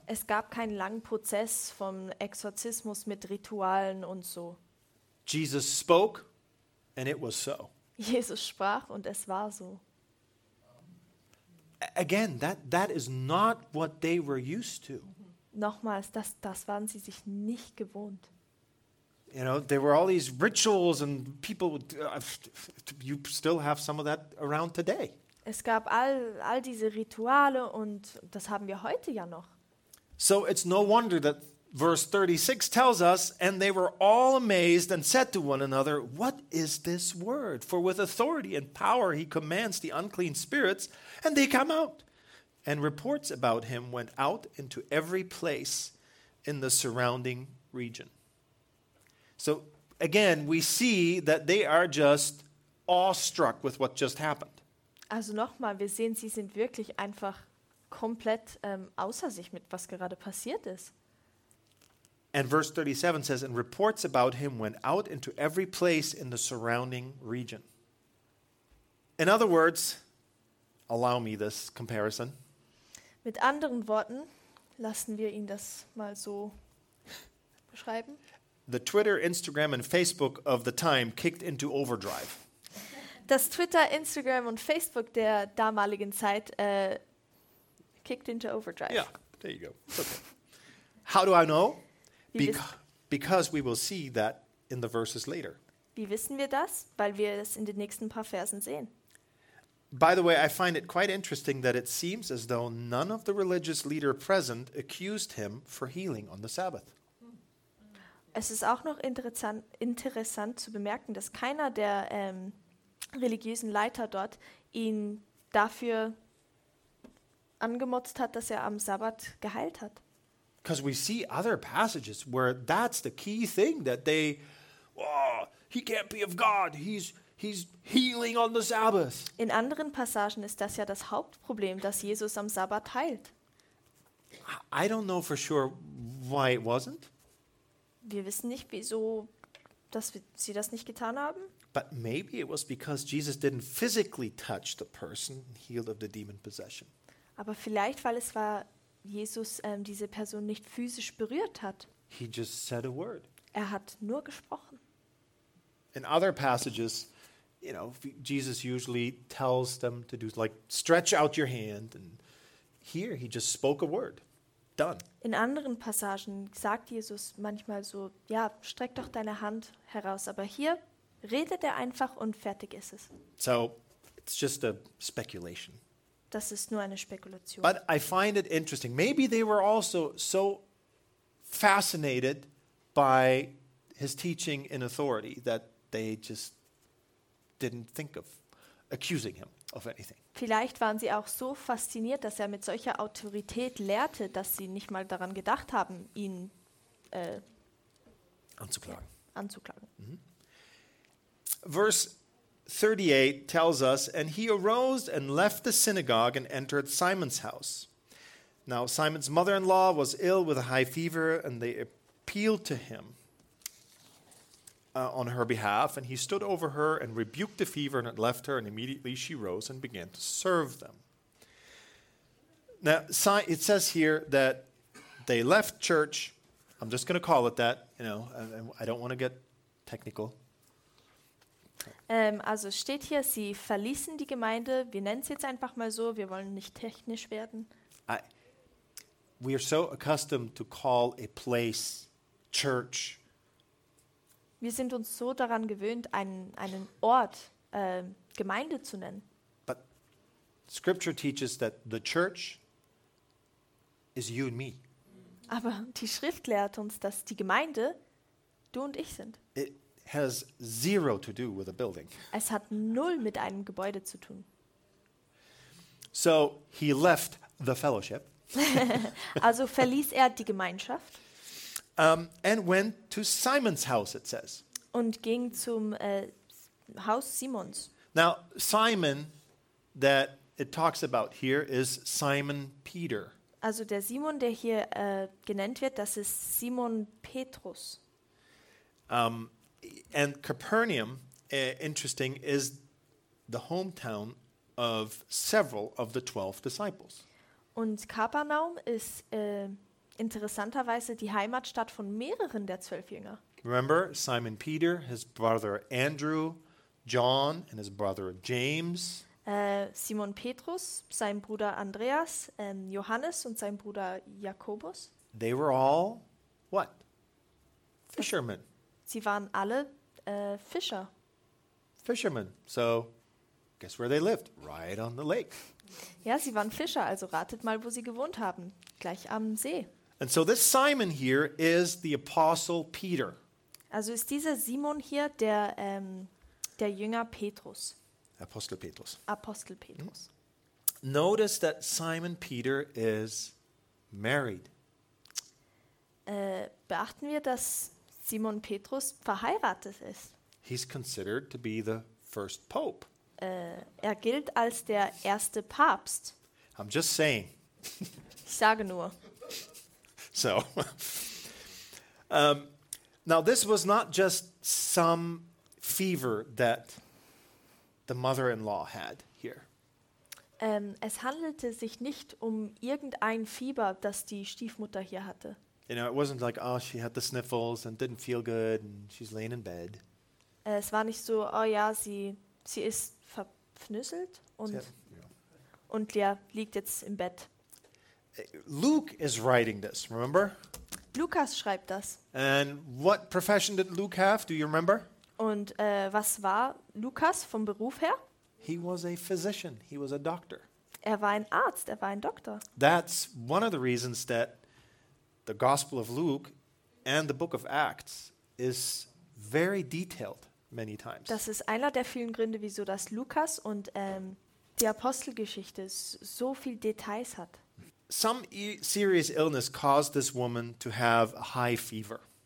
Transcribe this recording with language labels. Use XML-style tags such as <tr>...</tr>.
<de>Es gab keinen langen Prozess vom Exorzismus mit Ritualen und so.</de> <en>Jesus spoke and it was so.</en> <de>Jesus sprach und es war so.</de> <en>Again, that is not what they were used to.</en> <de>nochmals, das waren sie sich nicht gewohnt.</de> <en>You know, there were all these rituals and people would, you still have some of that around today.</en> <de>Es gab all diese Rituale und das haben wir heute ja noch.</de> <en>So it's no wonder that verse 36 tells us, and they were all amazed and said to one another, what is this word? For with authority and power he commands the unclean spirits, and they come out. And reports about him went out into every place in the surrounding region. So again, we see that they are just awestruck with what just happened.</en> <de>Also nochmal, wir sehen, sie sind wirklich einfach komplett außer sich mit was gerade passiert ist.</de> <en>And verse 37 says, and reports about him went out into every place in the surrounding region. In other words, allow me this comparison.</en> <de>Mit anderen Worten, lassen wir ihn das mal so beschreiben.</de> <en>The Twitter, Instagram and Facebook of the time kicked into overdrive.</en> <de>Das Twitter, Instagram und Facebook der damaligen Zeit</de> <en>kicked into overdrive. Yeah, there you go. Okay. How do I know? Because we will see that in the verses later.</en> <de>Wie wissen wir das? Weil wir es in den nächsten paar Versen sehen.</de> <en>By the way, I find it quite interesting that it seems as though none of the religious leader present accused him for healing on the Sabbath.</en> <de>Es ist auch noch interessant zu bemerken, dass keiner der religiösen Leiter dort ihn dafür angemotzt hat, dass er am Sabbat geheilt hat.</de> <en>Because we see other passages where that's the key thing, that they, oh, he can't be of God, he's healing on the Sabbath.</en> <de>In anderen Passagen ist das ja das Hauptproblem, dass Jesus am Sabbat heilt.</de> <en>I don't know for sure why it wasn't.</en> <de>Wir wissen nicht, wieso dass sie das nicht getan haben.</de> <en>But maybe it was because Jesus didn't physically touch the person healed of the demon possession.</en> <de>Aber vielleicht, weil es war, Jesus diese Person nicht physisch berührt hat.</de> <en>He just said a word.</en> <de>Er hat nur gesprochen.</de> <en>In other passages, you know, Jesus usually tells them to do, like, stretch out your hand. And here he just spoke a word. Done.</en> <de>In anderen Passagen sagt Jesus manchmal so, ja, streck doch deine Hand heraus. Aber hier redet er einfach und fertig ist es.</de> <en>So, it's just a speculation.</en> <de>Das ist nur eine Spekulation.</de> <en>But I find it interesting. Maybe they were also so fascinated by his teaching in authority that they just didn't think of accusing him of anything.</en> <de>Vielleicht waren sie auch so fasziniert, dass er mit solcher Autorität lehrte, dass sie nicht mal daran gedacht haben, ihn anzuklagen. Ja, anzuklagen. Mm-hmm.</de> <en>Verse 38 tells us, and he arose and left the synagogue and entered Simon's house. Now Simon's mother-in-law was ill with a high fever, and they appealed to him on her behalf, and he stood over her and rebuked the fever, and it left her, and immediately she rose and began to serve them. Now, it says here that they left church. I'm just going to call it that. You know, I don't want to get technical.</en> <de>Also es steht hier, sie verließen die Gemeinde. Wir nennen es jetzt einfach mal so. Wir wollen nicht technisch werden.</de> <en>We are so accustomed to call a place church.</en> <de>Wir sind uns so daran gewöhnt, einen Ort Gemeinde zu nennen.</de> <en>But Scripture teaches that the church is you and me.</en> <de>Aber die Schrift lehrt uns, dass die Gemeinde du und ich sind.</de> <en>It has zero to do with a building.</en> <de>Es hat null mit einem Gebäude zu tun.</de> <en>So he left the fellowship.</en> <de>Also verließ er die Gemeinschaft.</de> <en>And went to Simon's house, it says.</en> <de>Und ging zum Haus Simons.</de> <en>Now, Simon, that it talks about here, is Simon Peter.</en> <de>Also der Simon, der hier genannt wird, das ist Simon Petrus.</de> <en>And Capernaum, interesting, is the hometown of several of the 12 disciples.</en> <de>Und Kapernaum ist interessanterweise die Heimatstadt von mehreren der 12 Jünger.</de> <en>Remember Simon Peter, his brother Andrew, John and his brother James.</en> <de>Simon Petrus, sein Bruder Andreas, Johannes und sein Bruder Jakobus.</de> <en>They were all what? Fishermen.</en> <de>Sie waren alle Fischer.</de> <en>Fishermen. So, guess where they lived? Right on the lake.</en> <de>Ja, sie waren Fischer, also ratet mal, wo sie gewohnt haben. Gleich am See.</de> <en>And so this Simon here is the Apostle Peter.</en> <de>Also ist dieser Simon hier der, der Jünger Petrus. Apostel Petrus. Apostel Petrus. Mm-hmm.</de> <en>Notice that Simon Peter is married.</en> <de>Beachten wir, dass Simon Petrus verheiratet ist.</de> <en>He's considered to be the first pope.</en> <de>Er gilt als der erste Papst.</de> <en>I'm just saying.</en> <de>Ich sage nur.</de> <en>So. Now this was not just some fever that the mother-in-law had here.</en> <de>Es handelte sich nicht um irgendein Fieber, das die Stiefmutter hier hatte.</de> <en>You know, it wasn't like, oh, she had the sniffles and didn't feel good and she's laying in bed.</en> <de>Es war nicht so, oh ja, sie ist verpfnüsselt und ja, liegt jetzt im Bett.</de> <en>Luke is writing this, remember?</en> <de>Lukas schreibt das.</de> <en>And what profession did Luke have, do you remember?</en> <de>Und was war Lukas vom Beruf her?</de> <en>He was a physician, he was a doctor.</en> <de>Er war ein Arzt, er war ein Doktor.</de> <en>That's one of the reasons that the Gospel of Luke and the Book of Acts is very detailed many times.</en> <de>Das ist einer der vielen Gründe, wieso das Lukas und die Apostelgeschichte so viel Details hat.</de> <en>Some serious illness caused this woman to have a high fever.</en>